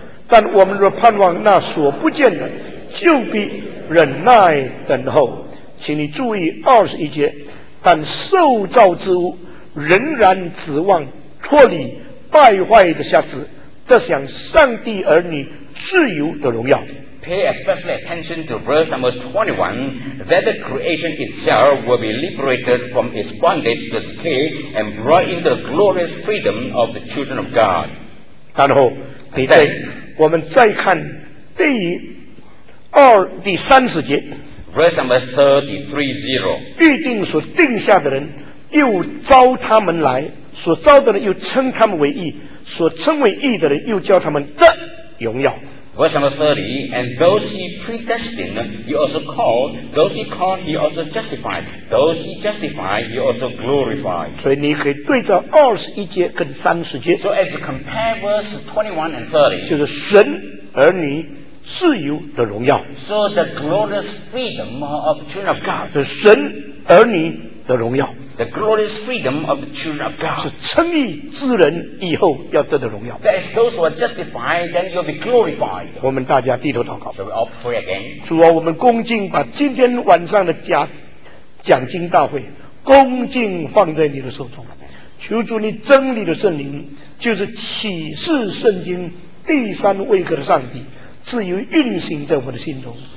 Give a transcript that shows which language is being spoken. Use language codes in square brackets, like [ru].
[zh] 但我们若盼望那所不见的，就必忍耐等候。请你注意二十一节，但受造之物仍然指望脱离败坏的瑕疵，得享上帝儿女自由的荣耀。 [en] Pay especially attention to verse number 21, that the creation itself will be liberated from its bondage to decay and brought into the glorious freedom of the children of God. [zh] 然后，你再，我们再看第三十节 [en] ，verse number 330. [zh] 预定所定下的人又招他们来，所招的人又称他们为义，所称为义的人又叫他们的荣耀。 [en] Verse number 30, and those he predestined, he also called, those he called, he also justified, those he justified, he also glorified. [zh] 所以你可以对照二十一节跟三十节。 [en] So as you compare verse 21 and 30, [zh] 就是神儿女自由的荣耀。 [en] So the glorious freedom of the children of God. [zh] 是神儿女的荣耀。 [en] The glorious freedom of the children of God. [zh] 是称义之人以后要得的荣耀。 [en] That is those who are justified, then you'll be glorified. [zh] 我们大家低头祷告。 [en] So we all pray again. [zh] 主啊，我们恭敬把今天晚上的讲经大会恭敬放在你的手中，求主你真理的圣灵，就是启示圣经第三位格的上帝，自由运行在我们的心中。